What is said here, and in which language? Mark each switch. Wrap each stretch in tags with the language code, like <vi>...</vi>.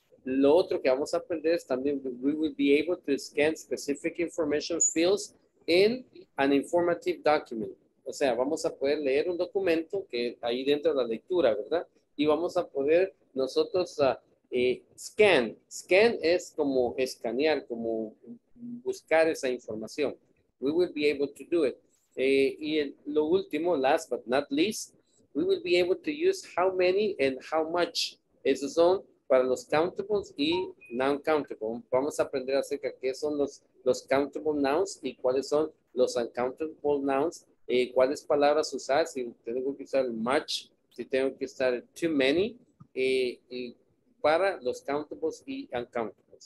<es>Lo otro que vamos a aprender es también</es> <en>we will be able to scan specific information fields in an informative document.</en> <es>O sea, vamos a poder leer un documento que ahí dentro de la lectura, ¿verdad? Y vamos a poder nosotros scan. Scan es como escanear, como buscar esa información.</es> <en>We will be able to do it.</en> <es>Y lo último,</es> <en>last but not least, we will be able to use how many and how much.</en> <es>Esos son para los countable y non-countable. Vamos a aprender acerca de qué son los countable nouns y cuáles son los uncountable nouns, cuáles palabras usar, si tengo que usar much, si tengo que usar too many, y para los countable y uncountable.</es>